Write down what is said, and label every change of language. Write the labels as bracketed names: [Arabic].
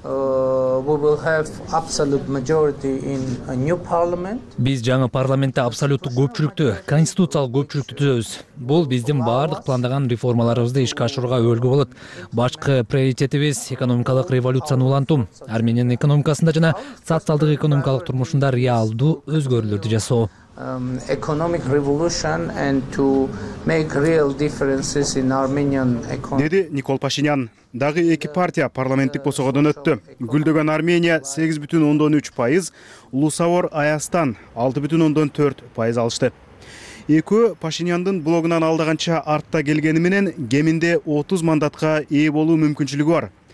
[Kyrgyz] Биз жаңы парламентте абсолюттук көпчүлүктү, конституциялык көпчүлүктү түзөбүз. Бул биздин баардык пландаган реформаларыбызды ишке ашырууга өлгө болот. Башкы приоритетибиз экономикалык революцияны улантуу, Армениянын экономикасында жана социалдык экономикалык турмушунда реалдуу өзгөрүүлөрдү жасоо. [English] Economic revolution and to make real differences in Armenian economy. [Kyrgyz] Деди Никол Пашинян. Дагы эки партия парламенттик босогодон өттү. Гүлдөгөн Армения 8.3%, Лусавор Аястан 6.4% алышты. Экөө Пашиняндын блогунан алдаганча артта келгени менен кеминде 30 мандатка ээ болуу мүмкүнчүлүгү бар.